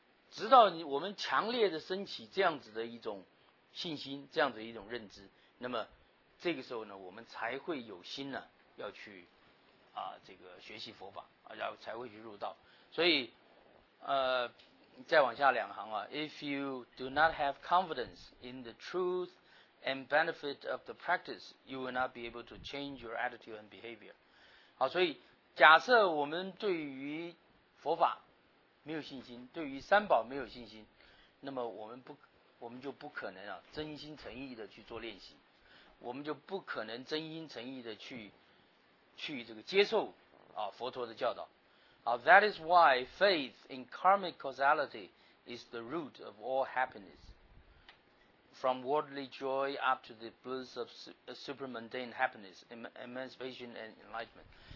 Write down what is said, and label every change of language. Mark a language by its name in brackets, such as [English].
[Chinese] 直到我们强烈的升起这样子的一种信心，这样子的一种认知。那么这个时候呢，我们才会有心呢，要去这个学习佛法，然后才会去入道。所以再往下两行啊， [English] If you do not have confidence in the truth and benefit of the practice, you will not be able to change your attitude and behavior。 [Chinese] 好，所以假设我们对于佛法没有信心，对于三宝没有信心，那么我们就不可能啊，真心诚意的去做练习，我们就不可能真心诚意的去这个接受啊佛陀的教导啊。 [English] That is why faith in karmic causality is the root of all happiness, from worldly joy up to the bliss of supermundane happiness, emancipation and enlightenment。